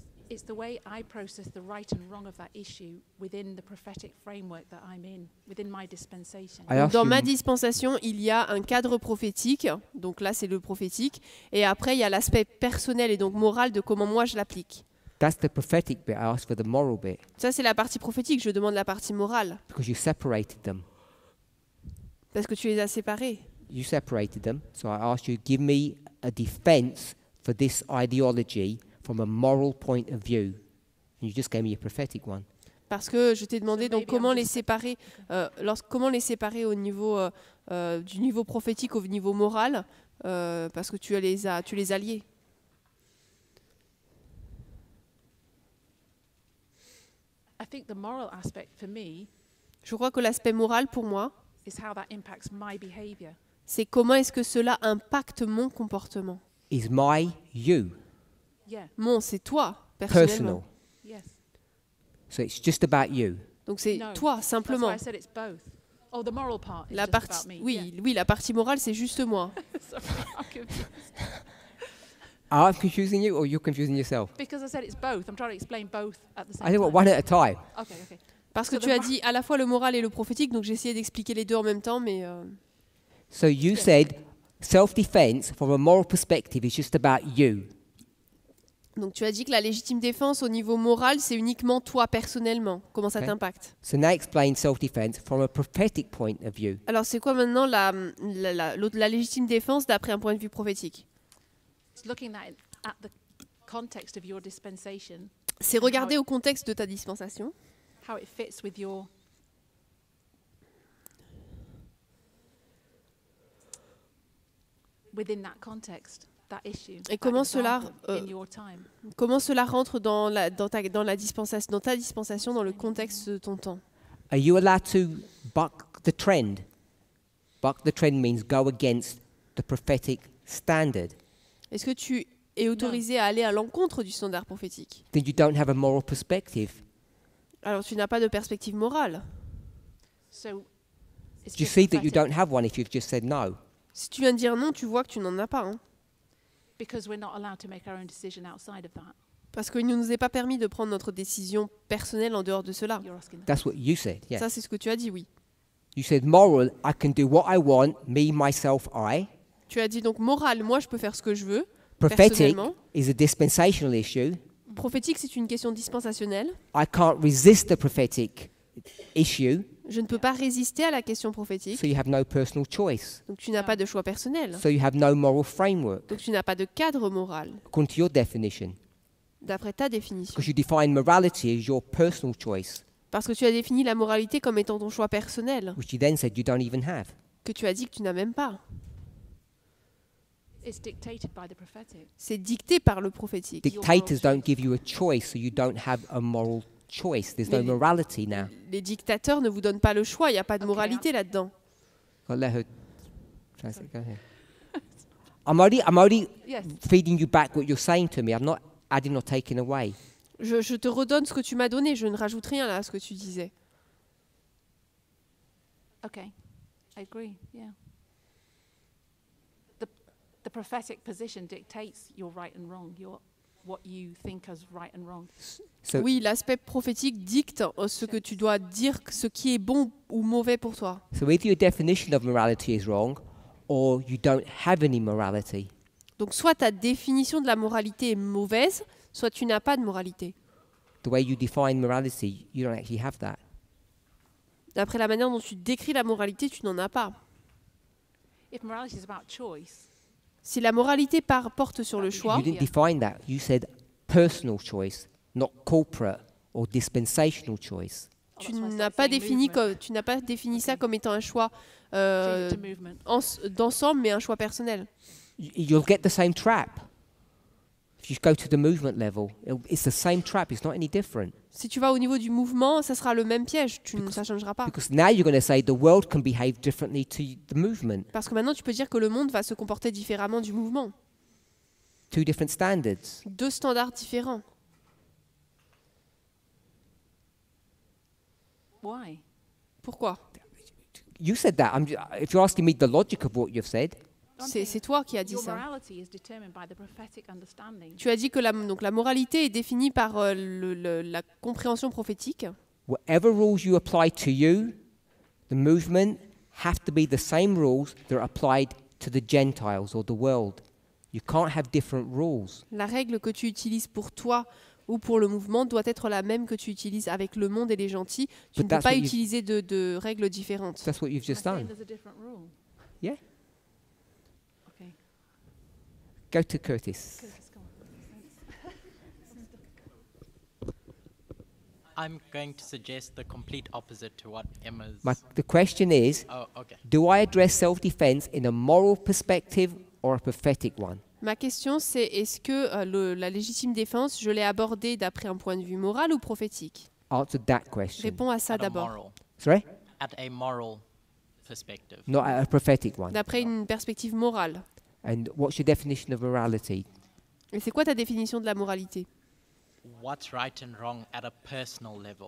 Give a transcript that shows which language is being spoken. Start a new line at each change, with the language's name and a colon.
English: It's the way I process the right and wrong of that issue within the prophetic framework that I'm in, within my dispensation.
French: Dans ma dispensation, il y a un cadre prophétique, donc là c'est le prophétique, et après il y a l'aspect personnel et donc moral de comment moi je l'applique.
English: That's the prophetic bit. I ask for the moral bit.
French: Ça c'est la partie prophétique, je demande la partie morale.
English: Because you separated them.
French: Parce que tu les as séparés.
English: You separated them, so I ask you give me a defense for this ideology. From a moral point of view, and you just gave me a prophetic one.
French: Parce que je t'ai demandé donc comment les séparer, comment les séparer au niveau du niveau prophétique au niveau moral, parce que tu les as liés.
English: I think the moral aspect for me.
French: Je crois que l'aspect moral pour moi.
English: Is how that impacts my behavior.
French: C'est comment est-ce que cela impacte mon comportement.
English: Is my you. Yeah.
French: Mon, c'est toi, personnellement.
English: Personal. Yes. So it's just about you.
French: Donc c'est
English: no,
French: toi, simplement.
English: That's why I said it's both. Oh, the moral part is
French: la
English: just about me.
French: Oui,
English: yeah.
French: Oui, la partie morale, c'est juste moi.
English: Sorry, I'm confusing you or you're confusing yourself? Because I said it's both. I'm trying to explain both at the same I think time. One at a time. Okay.
French: Parce que so tu as dit à la fois le moral et le prophétique, donc j'ai essayé d'expliquer les deux en même temps, mais...
English: So you said self-defense from a moral perspective is just about you.
French: Donc tu as dit que la légitime défense au niveau moral, c'est uniquement toi personnellement. Comment ça okay. t'impacte?
English: So now explain self-defense from a prophetic point of view.
French: Alors c'est quoi maintenant la légitime défense d'après un point de vue prophétique?
English: It's looking at the context of your dispensation.
French: C'est regarder au contexte de ta dispensation.
English: How it fits with your within that context.
French: Et comment cela rentre dans ta dispensation, dans le contexte de ton temps?
English: Are you allowed to buck the trend? Buck the trend means go against the prophetic standard.
French: Est-ce que tu es autorisé à aller à l'encontre du standard prophétique?
English: Then you don't have a moral perspective.
French: Alors tu n'as pas de perspective morale.
English: So, do you see that you don't have one if you've just said no?
French: Si tu viens de dire non, tu vois que tu n'en as pas. Hein?
English: Because we're not allowed to make our own decision outside of that.
French: Parce qu'il ne nous est pas permis de prendre notre décision personnelle en dehors de cela.
English: That's what you said. Yes.
French: Ça, c'est ce que tu as dit, oui.
English: You said moral, I can do what I want, me, myself, I.
French: Tu as dit donc moral, moi, je peux faire ce que je veux.
English: Prophetic is a dispensational issue.
French: Prophétique, c'est une question dispensationnelle.
English: I can't resist the prophetic issue.
French: Je ne peux pas résister à la question prophétique.
English: So you have no personal choice.
French: Donc tu n'as pas de choix personnel.
English: So you have no moral framework.
French: Donc tu n'as pas de cadre moral.
English: According to your definition.
French: D'après ta définition.
English: Because you define morality as your personal choice.
French: Parce que tu as défini la moralité comme étant ton choix personnel.
English: Which you then said you don't even have.
French: Que tu as dit que tu n'as même pas.
English: It's dictated by the prophetic.
French: C'est dicté par le prophétique.
English: Dictators don't give you a choice, so you don't have a moral choice. There's no morality now.
French: Les dictateurs ne vous donnent pas le choix. Il n'y a pas de moralité là-dedans.
English: I'll let her translate. Go ahead. I'm already feeding you back what you're saying to me. I'm not adding or taking away.
French: Je te redonne ce que tu m'as donné. Je ne rajoute rien là à ce que tu disais.
English: Okay, I agree. Yeah. The prophetic position dictates your right and wrong. Your what you think as right and wrong.
French: So oui, l'aspect prophétique dicte ce que tu dois dire, ce qui est bon ou mauvais pour toi.
English: So either your definition of morality is wrong or you don't have any morality.
French: Donc soit ta définition de la moralité est mauvaise, soit tu n'as pas de moralité.
English: The way you define morality, you don't actually have that.
French: D'après la manière dont tu décris la moralité, tu n'en as pas.
English: If morality is about choice.
French: Si la moralité porte sur le choix,
English: you didn't define that. You said personal choice, not corporate or dispensational choice.
French: Tu n'as pas défini ça comme étant un choix d'ensemble, mais un choix personnel.
English: You'll get the same trap. If you go to the movement level, it's the same trap. It's not any different.
French: Si tu vas au niveau du mouvement, ça sera le même piège. Ça changera pas.
English: Because now you're going to say the world can behave differently to the movement.
French: Parce que maintenant tu peux dire que le monde va se comporter différemment du mouvement.
English: Two different standards.
French: Deux standards différents.
English: Why?
French: Pourquoi?
English: You said that. If you're asking me the logic of what you've said.
French: C'est toi qui as dit
English: your
French: ça.
English: Morality is determined by the prophetic understanding.
French: Tu as dit que la moralité est définie par la compréhension prophétique.
English: Whatever rules you apply to you, the movement have to be the same rules that are applied to the Gentiles or the world. You can't have different rules.
French: La règle que tu utilises pour toi ou pour le mouvement doit être la même que tu utilises avec le monde et les gentils. Tu ne peux pas utiliser de règles différentes.
English: That's what you've just done. There's a different rule. Yeah. Go to Curtis. I'm going to suggest the complete opposite to what Emma's... The question is, do I address self-defense in a moral perspective or a prophetic one?
French: Ma question c'est, est-ce que la légitime défense, je l'ai abordée d'après un point de vue moral ou prophétique?
English: Answer that question.
French: Réponds à ça d'abord.
English: Sorry? At a moral perspective. Not at a prophetic one.
French: D'après une perspective morale.
English: And what's your definition of morality?
French: Et c'est quoi ta définition de la moralité?
English: What's right and wrong at a personal level?